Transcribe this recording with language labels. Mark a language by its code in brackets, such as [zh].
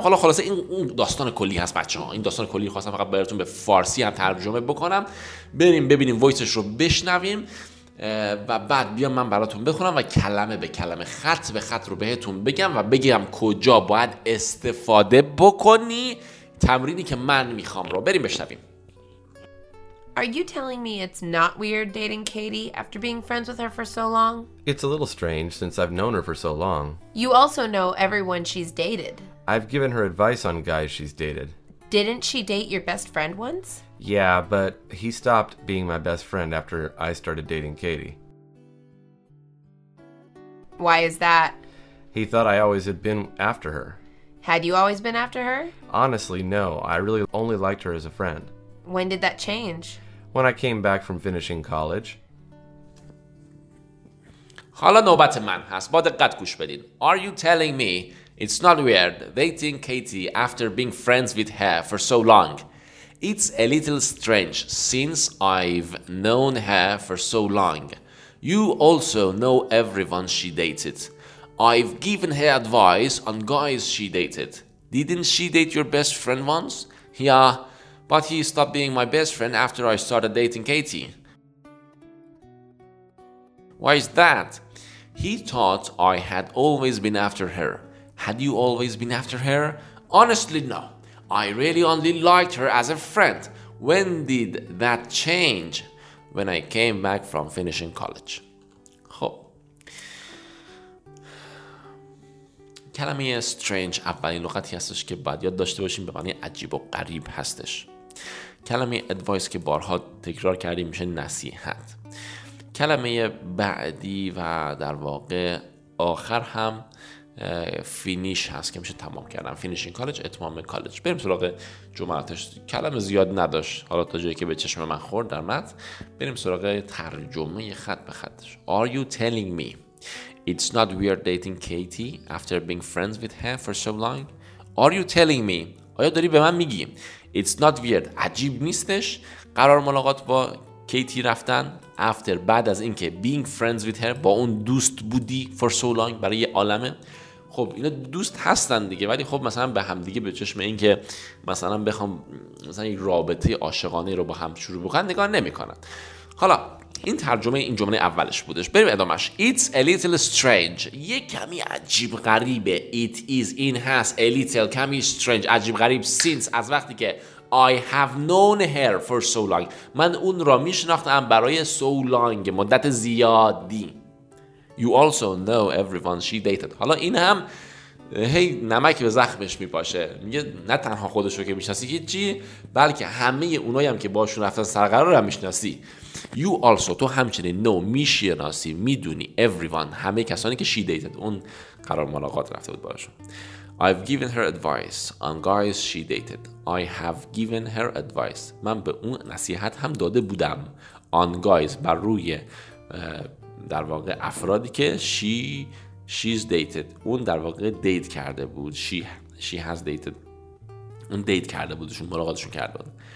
[fa] حالا خلاصه این داستان کلی هست بچه ها، این داستان کلی خواستم فقط براتون به فارسی هم ترجمه بکنم. بریم ببینیم وایسش رو بشنویم و بعد بیام من براتون بخونم و کلمه به کلمه، خط به خط رو بهتون بگم و بگم کجا باید استفاده بکنی تمرینی که من میخوام رو. بریم بشنویم. [en] Are you telling me it's not weird dating Katie after being friends with her for so long? It's a little strange since I've known her for so long. You also know everyone she's dated. I've given her advice on guys she's dated. Didn't she date your best friend once? Yeah, but he stopped being my best friend after I started dating Katie. Why is that? He thought I always had been after her. Had you always been after her? Honestly, no. I really only liked her as a friend. When did that change? When I came back from finishing college. [fa] حالا نوبت من هست. با دقت گوش بدین. [en] Are you telling me it's not weird dating Katie after being friends with her for so long? It's a little strange since I've known her for so long. You also know everyone she dated. I've given her advice on guys she dated. Didn't she date your best friend once? Yeah. But he stopped being my best friend after I started dating Katie. Why is that? He thought I had always been after her. Had you always been after her? Honestly, no. I really only liked her as a friend. When did that change? When I came back from finishing college. [fa] خب. کلمه strange اولین لغتی هستش که باید یاد داشته باشیم، به معنی عجیب و غریب هستش. کلمه ادوایس که بارها تکرار کردیم میشه نصیحت. کلمه بعدی و در واقع آخر هم فینیش هست که میشه تمام کردن، فینیشینگ کالج، اتمام کالج. بریم سراغ جملاتش. کلمه زیاد نداشت حالا تا جایی که به چشم من خورد در متن. بریم سراغ ترجمه خط به خطش. [en] Are you telling me it's not weird dating Katie after being friends with her for so long? Are you telling me [fa] آیا داری به من میگی؟ [en] It's not weird. [fa] عجیب نیستش قرار ملاقات با کیتی رفتن [en] after [fa] بعد از اینکه [en] being friends with her [fa] با اون دوست بودی [en] for so long [fa] برای یه عالمه. خب اینا دوست هستن دیگه، ولی خب مثلا به هم دیگه به چشم اینکه مثلا بخوام مثلا یه رابطه عاشقانه رو با هم شروع بکنن نگاه نمی‌کنن. حالا این ترجمه این جمله اولش بودش، بریم ادامش. [en] It's a little strange. [fa] یه کمی عجیب غریبه. [en] It is [fa] این هست. [en] A little [fa] کمی [en] strange. [fa] عجیب غریب. [en] Since [fa] از وقتی که [en] I have known her for so long. [fa] من اون را میشناختم برای [en] so long. [fa] مدت زیادی. [en] You also know everyone she dated. [fa] حالا این هم هی نمک به زخمش میپاشه، میگه نه تنها خودشو که میشناسی هیچی، بلکه همه اونایی هم که باشون رفتن سر قرار هم میشناسی. [en] You also [fa] تو همچنین [en] know [fa] میشناسی میدونی [en] everyone [fa] همه کسانی که [en] she dated [fa] اون قرار ملاقات رفته بود باشون. [en] I've given her advice on guys she dated. I have given her advice. [fa] من به اون نصیحت هم داده بودم [en] on guys [fa] بر روی در واقع افرادی که [en] she's dated [fa] اون در واقع دیت کرده بود. [en] She has dated [fa] اون دیت کرده بودشون، ملاقاتشون کرده بود.